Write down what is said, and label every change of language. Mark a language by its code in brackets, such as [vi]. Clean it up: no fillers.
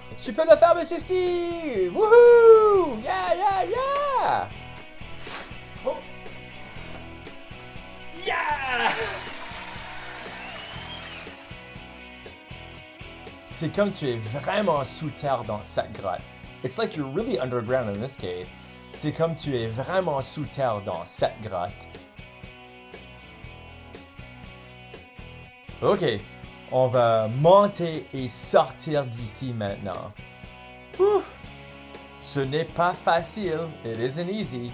[fr] Tu peux le faire, Monsieur Steve! Woohoo! Yeah, yeah, yeah! Oh. Yeah! C'est comme tu es vraiment sous terre dans cette grotte. [en] It's like you're really underground in this cave. [fr] C'est comme tu es vraiment sous terre dans cette grotte. Ok, on va monter et sortir d'ici maintenant. Ouh. Ce n'est pas facile. [en] It isn't easy.